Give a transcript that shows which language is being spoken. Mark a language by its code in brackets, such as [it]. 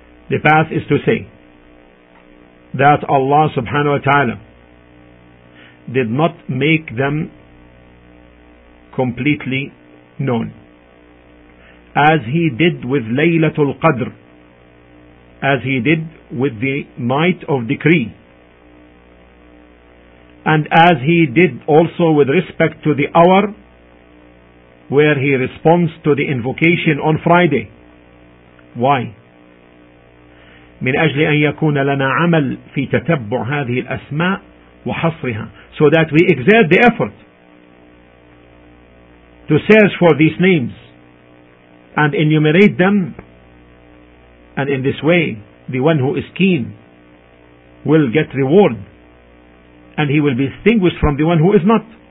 [en] The path is to say that Allah subhanahu wa ta'ala did not make them completely known, as he did with Laylatul Qadr, as he did with the night of decree, and as he did also with respect to the hour where he responds to the invocation on Friday. Why? [ar] من أجل أن يكون لنا عمل في تتبع هذه الأسماء وحصرها. [en] So that we exert the effort to search for these names and enumerate them, and in this way the one who is keen will get reward and he will be distinguished from the one who is not.